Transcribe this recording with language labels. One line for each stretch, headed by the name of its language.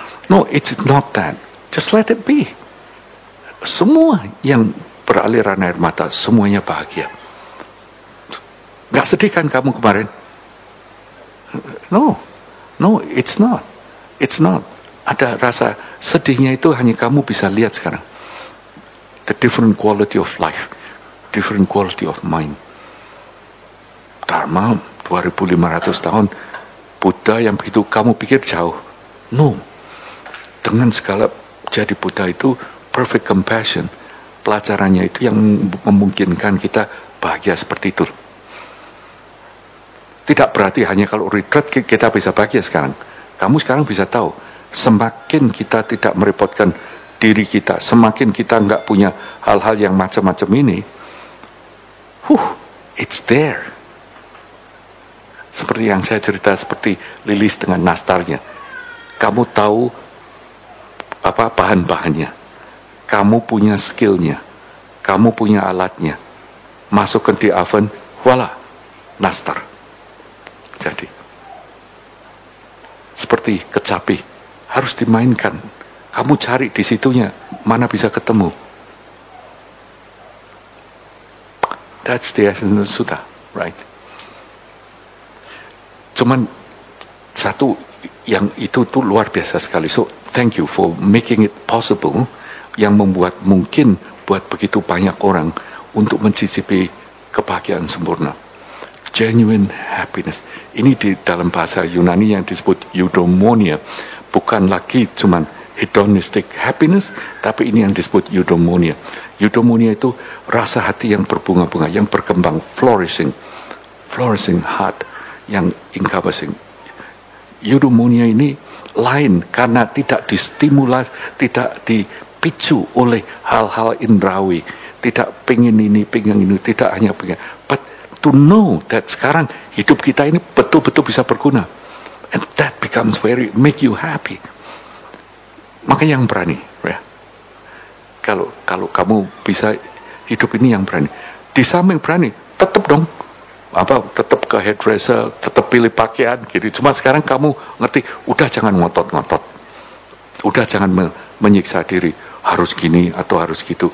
English: No, it's not that. Just let it be.
Indonesian: Semua yang beraliran air mata, semuanya bahagia. Enggak sedih kan kamu kemarin?
English: No. No, it's not. It's not.
Indonesian: Ada rasa sedihnya itu hanya kamu bisa lihat sekarang.
English: The different quality of life. Different quality of mind.
Indonesian: Dharma 2500 tahun. Buddha yang begitu kamu pikir jauh.
English: No.
Indonesian: Dengan segala jadi Buddha itu
English: perfect compassion.
Indonesian: Pelajarannya itu yang memungkinkan kita bahagia seperti itu. Tidak berarti hanya kalau retreat kita bisa bahagia sekarang. Kamu sekarang bisa tahu, semakin kita tidak merepotkan diri kita, semakin kita enggak punya hal-hal yang macam-macam ini,
English: it's there.
Indonesian: Seperti yang saya cerita, seperti Lilis dengan nastarnya. Kamu tahu apa bahan-bahannya. Kamu punya skillnya. Kamu punya alatnya. Masukkan di oven, voila, nastar. Jadi, seperti kecapi, harus dimainkan. Kamu cari di situnya, mana bisa ketemu.
English: That's the essence of Sutta, right?
Indonesian: Cuman, satu yang itu tuh luar biasa sekali.
English: So, thank you for making it possible,
Indonesian: yang membuat mungkin buat begitu banyak orang untuk mencicipi kebahagiaan sempurna.
English: Genuine happiness.
Indonesian: Ini di dalam bahasa Yunani yang disebut eudaimonia. Bukan lagi cuman
English: hedonistic happiness,
Indonesian: tapi ini yang disebut eudaimonia. Eudaimonia itu rasa hati yang berbunga-bunga, yang berkembang, flourishing.
English: Flourishing heart yang encompassing.
Indonesian: Eudaimonia ini lain karena tidak distimulas, tidak dipicu oleh hal-hal indrawi. Tidak pengen ini, pengen ini, tidak hanya pengen.
English: But to know that
Indonesian: sekarang hidup kita ini betul-betul bisa berguna.
English: And that becomes very, make you happy.
Indonesian: Makanya yang berani. Ya. Kalau kamu bisa hidup ini yang berani. Di samping berani, tetap dong. Apa, tetap ke hairdresser, tetap pilih pakaian. Gitu. Cuma sekarang kamu ngerti, udah jangan ngotot-ngotot. Udah jangan menyiksa diri. Harus gini atau harus gitu.